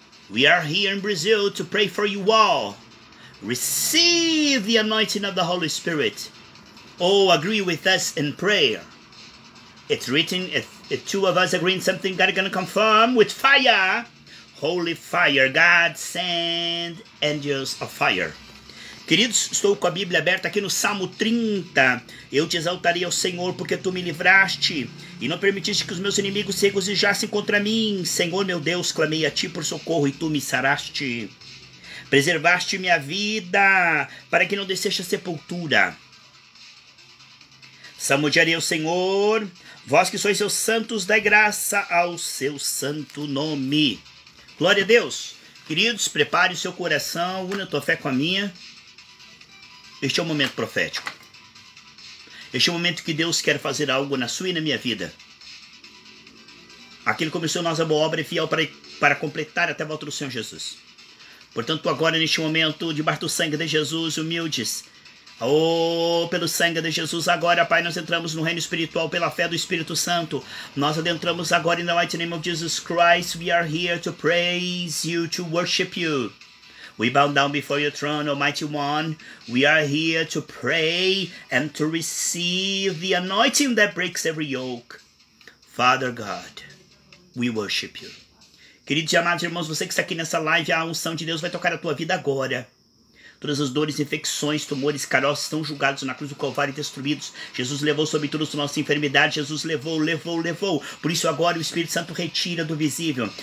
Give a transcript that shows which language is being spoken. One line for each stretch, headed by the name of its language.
English: We are here in Brazil to pray for you all. Receive the anointing of the Holy Spirit. Oh, agree with us in prayer. It's written, if two of us agree in something, God is going to confirm with fire. Holy fire, God send angels of fire.
Portuguese: Queridos, estou com a Bíblia aberta aqui no Salmo 30. Eu te exaltarei ao Senhor, porque Tu me livraste e não permitiste que os meus inimigos se regozijassem contra mim. Senhor, meu Deus, clamei a Ti por socorro e Tu me saraste. Preservaste minha vida para que não descesse a sepultura. Salmodiarei ao Senhor, vós que sois seus santos, dai graça ao seu santo nome. Glória a Deus. Queridos, prepare o seu coração, una a tua fé com a minha. Este é o momento profético. Este é o momento que Deus quer fazer algo na sua e na minha vida. Aquele começou nós a boa obra e fiel para completar até a volta do Senhor Jesus. Portanto, agora, neste momento, debaixo do sangue de Jesus, humildes, pelo sangue de Jesus, agora, Pai, nós entramos no reino espiritual pela fé do Espírito Santo. Nós adentramos agora,
English: in the mighty name of Jesus Christ, we are here to praise you, to worship you. We bow down before your throne, Almighty One. We are here to pray and to receive the anointing that breaks every yoke. Father God, we worship you.
Portuguese: Queridos e amados irmãos, você que está aqui nessa live, a unção de Deus vai tocar a tua vida agora. Todas as dores, infecções, tumores, caroços estão julgados na cruz do Calvário e destruídos. Jesus levou sobre todas as nossas enfermidades. Jesus levou. Por isso agora o Espírito Santo retira do visível.